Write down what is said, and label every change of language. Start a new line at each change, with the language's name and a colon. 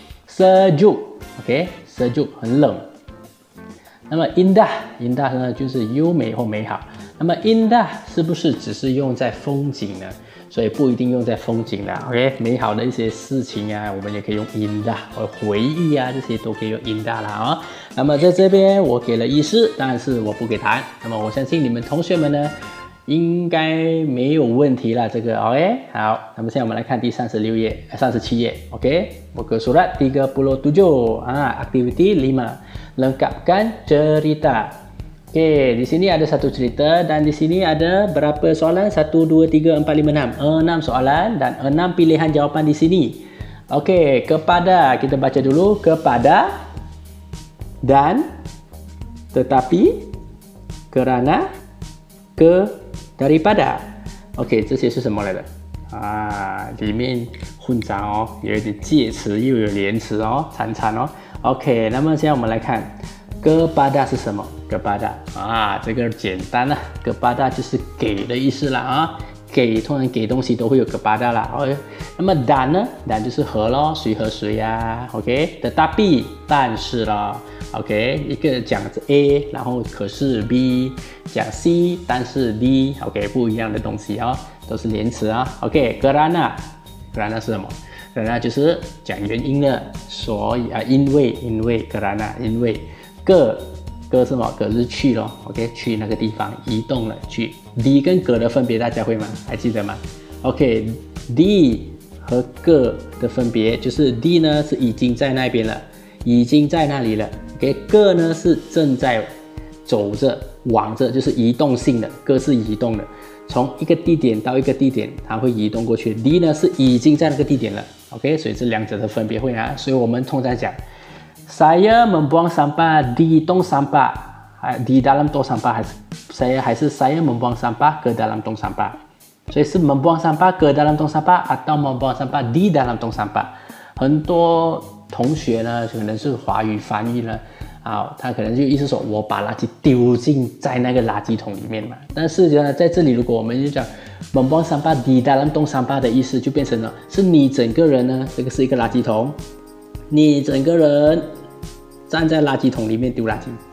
Chinese: Sejuk ，OK， sejuk 很冷。那么 indah 呢就是优美或美好。那么 indah 是不是只是用在风景呢？所以不一定用在风景啦。OK， 美好的一些事情啊，我们也可以用 indah， 回忆啊这些都可以用 indah 啦啊。那么在这边我给了意思，但是我不给答案。那么我相信你们同学们呢？应该没有问题啦，这个 OK， 好，那么现在我们来看第36页， 37页 OK， 我个 surat 37 啊 ，activity 5，
Malay: lengkapkan cerita，
Chinese: OK，
Malay: di sini ada satu cerita dan di sini ada berapa soalan，
Chinese: 1 2 3
Malay: 4 5 6， 6 soalan dan 6 pilihan jawapan di sini， OK， kepada kita baca dulu kepada dan tetapi kerana ke daripada.
Chinese: OK， 这些是什么来的？啊，里面混杂哦，有点介词，又有连词哦，缠缠哦。 OK， 那么现在我们来看 kepada 是什么？ kepada 啊，这个简单啊， kepada 就是给的意思啦啊，给通常给东西都会有 kepada 啦。哦，那么 dan 呢？ dan 就是和咯，谁和谁啊？ OK， tetapi 但是咯。 OK， 一个讲着 A， 然后可是 B， 讲 C， 但是 D，OK，、okay, 不一样的东西哦，都是连词啊。OK， kerana， kerana 是什么？ kerana 就是讲原因的，所以啊，因为 kerana， 因为 ge， ge 是什么？ge 是去咯 ，OK， 去那个地方，移动了去。D 跟 ge 的分别大家会吗？还记得吗 ？OK，D、okay, 和个的分别，就是 D 呢是已经在那边了，已经在那里了。 OK， 个呢是正在走着、往着，就是移动性的，个是移动的，从一个地点到一个地点，它会移动过去。 D 呢是已经在那个地点了。 OK， 所以这两者的分别会啊，所以我们通常讲 ，
Malay: saya membuang sampah di tong sampah，
Chinese: 还
Malay: di dalam tong sampah
Chinese: 还是
Malay: saya membuang sampah ke dalam tong sampah。所以是 membuang sampah ke dalam tong sampah atau membuang sampah di dalam tong sampah。
Chinese: 很多同学呢可能是华语翻译呢、啊、他可能就意思说我把垃圾丢进在那个垃圾桶里面嘛。但是呢在这里如果我们就讲
Malay: membuang sampah di dalam tong sampah
Chinese: 的意思就变成了是你整个人呢，这个是一个垃圾桶，你整个人站在垃圾桶里面丢垃圾。